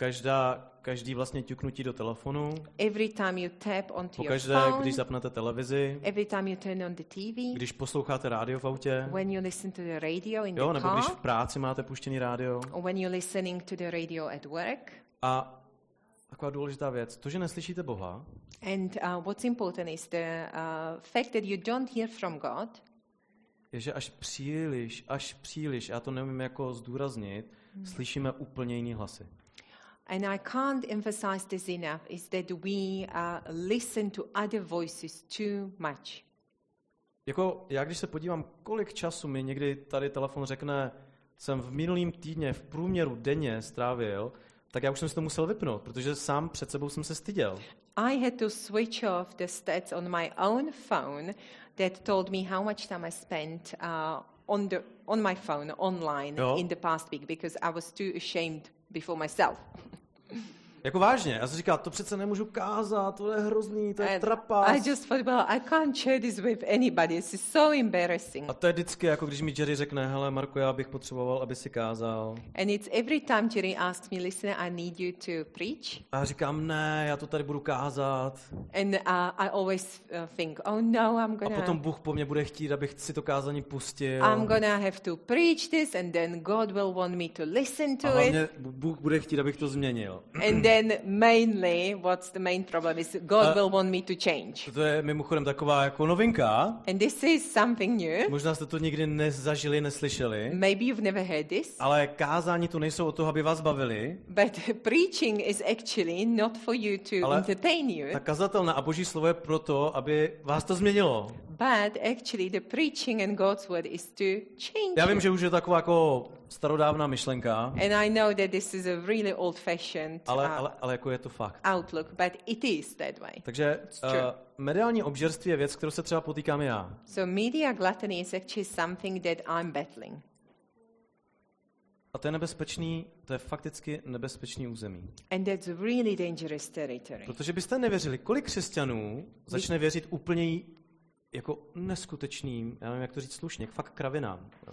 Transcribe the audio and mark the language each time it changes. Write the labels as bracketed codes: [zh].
[cs] Jo, každý vlastně ťuknutí do telefonu. [en] Every time you tap onto your phone. [cs] Když zapnete televizi. [en] Every time you turn on the TV. [cs] Když posloucháte rádio v autě. [en] When you listen to the radio in the car. Jo, [cs] nebo když v práci máte puštěný rádio. [en] Or when you're listening to the radio at work. [cs] A taková důležitá věc, to, že neslyšíte Boha. [en] And what's important is the fact that you don't hear from God. [cs] Je, že až příliš, já to nemím jako zdůraznit, slyšíme úplně jiný hlasy. [en] And I can't emphasize this enough, is that we listen to other voices too much. [cs] Jako, já když se podívám, kolik času mi někdy tady telefon řekne, jsem v minulým týdně v průměru denně strávil, tak já už jsem si to musel vypnout, protože sám před sebou jsem se styděl. [en] I had to switch off the stats on my own phone that told me how much time I spent on my phone online, jo, in the past week because I was too ashamed before myself. [cs] Jako vážně, já jsem říkal, to přece nemůžu kázat, to je hrozný, to je trapas. [en] I just thought, well, I can't share this with anybody, this is so embarrassing. [cs] A to je vždycky, jako když mi Jerry řekne, hele Marku, já bych potřeboval, aby si kázal. [en] And it's every time Jerry asks me, listen, I need you to preach. [cs] A já říkám, ne, já to tady budu kázat. [en] And I always think, oh no, I'm gonna. [cs] A potom Bůh po mě bude chtít, abych si to kázání pustil. [en] I'm gonna have to preach this and then God will want me to listen to it. [cs] A hlavně Bůh bude chtít, abych to změnil. [en] And then mainly, what's the main problem is God will want me to change. [cs] To je mimochodem taková jako novinka. [en] And this is something new. [cs] Možná jste to nikdy nezažili, neslyšeli. [en] Maybe you've never heard this. [cs] Ale kázání tu nejsou o to, aby vás bavili. [en] But preaching is actually not for you to entertain you. [cs] Ale ta kazatelna a Boží slovo je proto, aby vás to změnilo. [en] But actually the preaching and God's word is to change. [cs] Já vím, že už je taková jako starodávná myšlenka. [en] And I know that this is a really old fashioned [cs] ale jako je to fakt. [en] Outlook, but it is that way. [cs] Takže mediální obžerství je věc, kterou se třeba potýkám já. [en] So media gluttony is actually something that I'm battling. [cs] A to je nebezpečný, to je fakticky nebezpečný území. [en] And that's really dangerous territory. [cs] Protože byste nevěřili, kolik křesťanů začne věřit úplně jako neskutečným, já nevím, jak to říct slušně, fakt kravinám.